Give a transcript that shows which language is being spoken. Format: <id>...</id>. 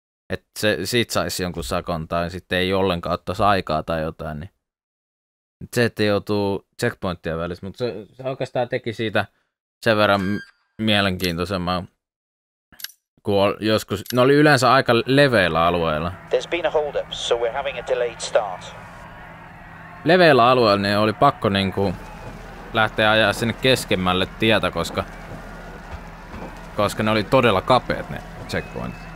<fi>Että siitä saisi jonkun sakon tai sitten ei ollenkaan ottaisi aikaa tai jotain. Niin. Se, että joutuu checkpointtia välissä, mutta se oikeastaan teki siitä sen verran mielenkiintoisemman. Joskus, ne oli yleensä aika leveillä alueilla.</fi> <en>There's been a hold up, so we're having a delayed start.</en> <fi>Leveillä alueilla niin oli pakko niin kuin lähteä ajaa sinne keskemmälle tietä, koska ne oli todella kapeat ne checkpointit.</fi>